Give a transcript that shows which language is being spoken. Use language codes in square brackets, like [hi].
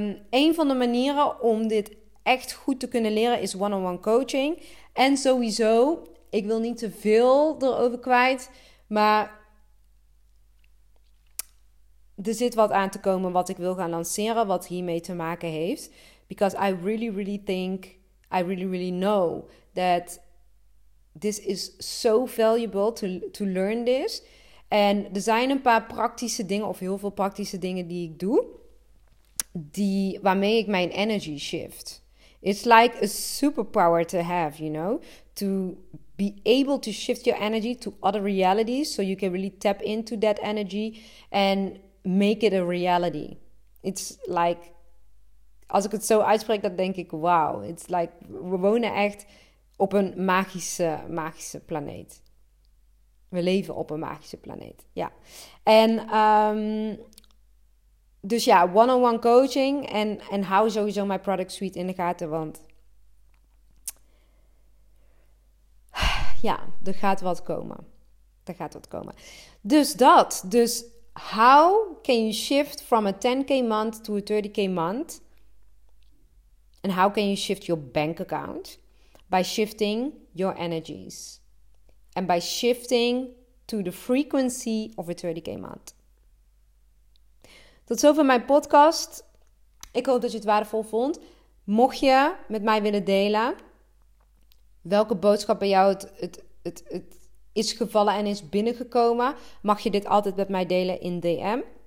[nl] Een van de manieren om dit echt goed te kunnen leren is [en] one-on-one coaching. [nl] En sowieso, ik wil niet te veel erover kwijt, maar er zit wat aan te komen wat ik wil gaan lanceren, wat hiermee te maken heeft. [en] Because I really, really think, I really, really know that this is so valuable to learn this. [nl] En er zijn een paar praktische dingen, of heel veel praktische dingen die ik doe, waarmee ik mijn energy shift. [en] It's like a superpower to have, you know? To be able to shift your energy to other realities, so you can really tap into that energy and make it a reality. It's like, [nl] als ik het zo uitspreek, dan denk ik, wow, [en] it's like, [nl] we wonen echt op een magische, magische planeet. We leven op een magische planeet, ja. En dus ja, [en] one-on-one coaching [nl] en hou sowieso mijn product suite in de gaten, want ja, er gaat wat komen. Er gaat wat komen. Dus dat, dus [en] how can you shift from a 10K month to a 30K month? And how can you shift your bank account? By shifting your energies. And by shifting to the frequency of a 30K month. [nl] Tot zover mijn podcast. Ik hoop dat je het waardevol vond. Mocht je met mij willen delen welke boodschap bij jou het is gevallen en is binnengekomen, mag je dit altijd met mij delen in DM.